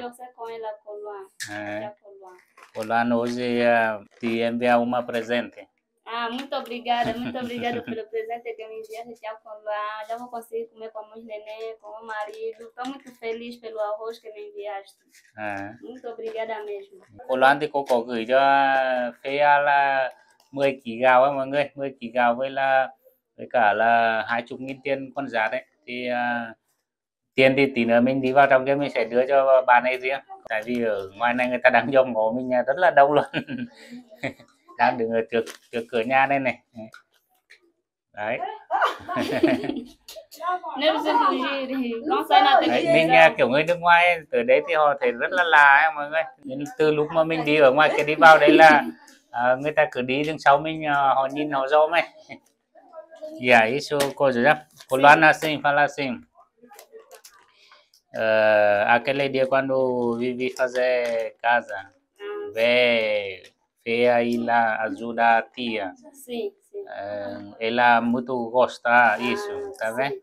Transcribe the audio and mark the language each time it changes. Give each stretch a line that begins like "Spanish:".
Portuguese: Já conversei com ela, Coluan. Olá, hoje te enviar uma presente. Ah, muito obrigada pelo presente que me enviaste, tia Colá. Já vou conseguir comer com os nenê, com o marido. Estou muito feliz pelo arroz que me enviaste. Muito obrigada mesmo.
Vietnamese: Colá de coco, gửi cho Feia là 10 kg gạo, mọi người. 10 kg gạo với cả là 20.000 tiền con giá đấy. Thì tiền thì tí nữa mình đi vào trong kia mình sẽ đưa cho bà này riêng. Tại vì ở ngoài này người ta đang dòng ngó mình rất là đông luôn. Đang đứng ở trước cửa nhà đây này. Đấy. Đấy, mình kiểu người nước ngoài từ đấy thì họ thấy rất là lạ ấy, mọi người. Nhưng từ lúc mà mình đi ở ngoài kia đi vào đấy là người ta cứ đi đứng sau mình họ nhìn họ dòm ấy.
Portuguese: Dạ, isso coisa já. Cô Loan assim, fala assim. Aquele dia quando vivi fazer casa, vê, fez aí lá, ajuda a tia. Sim, sim. Ela muito gosta disso, tá vendo?